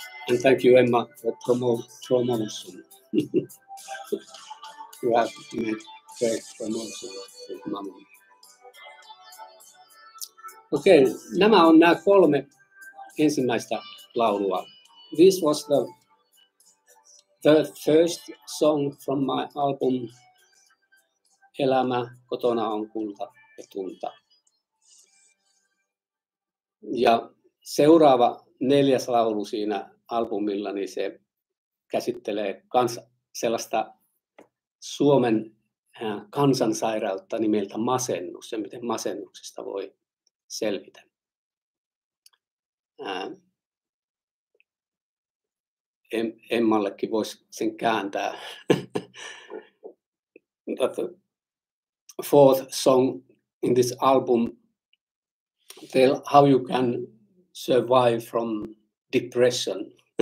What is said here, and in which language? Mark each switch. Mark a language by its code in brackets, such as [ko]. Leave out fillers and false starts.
[en] And thank you, Emma, for promotion. You have made great promotion with Mamma. [fi] Okay, nämä on nämä kolme ensimmäistä laulua. [en] This was the first song from my album Elämä kotona on kulta ja tunta. [fi] Ja seuraava neljäs laulu siinä albumilla, niin se käsittelee kans sellaista Suomen kansansairautta nimeltä masennus ja miten masennuksesta voi selvitä. Emmallekin voisi sen kääntää. [en] The fourth song in this album, tell how you can survive from depression.